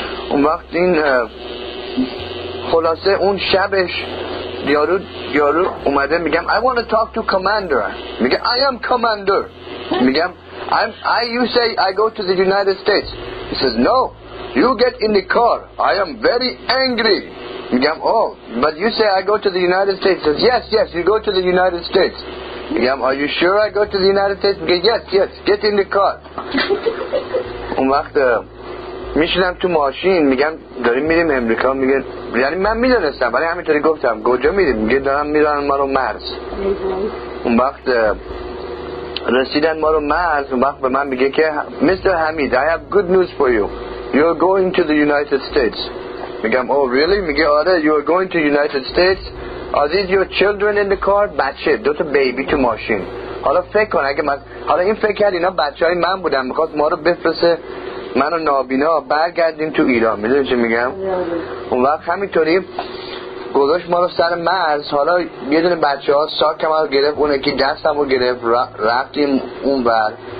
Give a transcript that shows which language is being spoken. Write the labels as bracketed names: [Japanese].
[Persian] اون وقت این خلاصه اون شبش یارو اومده میگم [English] I want to talk to commander. [Persian] میگه [English] I am commander. [Persian] میگم [English] you say I go to the United States. He says no, you get in the car. I am very angry. [Persian] میگم [English] oh, but you say I go to the United States. He says yes, yes, you go to the United States. [Persian] میگم [English] are you sure I go to the United States? [Persian] میگه [English] yes, yes, get in the car. [Persian] اون وقت میشینم تو ماشین میگم داریم میریم امریکا. میگه یعنی من میدونستم ولی همینطوری گفتم کجا میریم. میگه دارم میرن ما رو مرز. اون وقت رسیدن ما رو مرز اون وقت به من میگه که Mr. [English] Hamid, I have good news for you. You are going to the United States. [Persian] میگم [English] oh really. [Persian] میگه آره [English] you are going to the United States. Are these your children in the car? [Persian] بچه دوتا بیبی تو ماشین. حالا فکر کن اگه من حالا این فکر کرد اینا بچه های من بودن میخواست ما رو بفرسه منو نابینا برگردیم تو ایران. میدونی چه میگم؟ اون وقت همینطوری گذاشت ما رو سر مرز. حالا یه دونه بچه ها ساکم رو گرفت اونه که دستم رو گرفت رفتیم اون بر.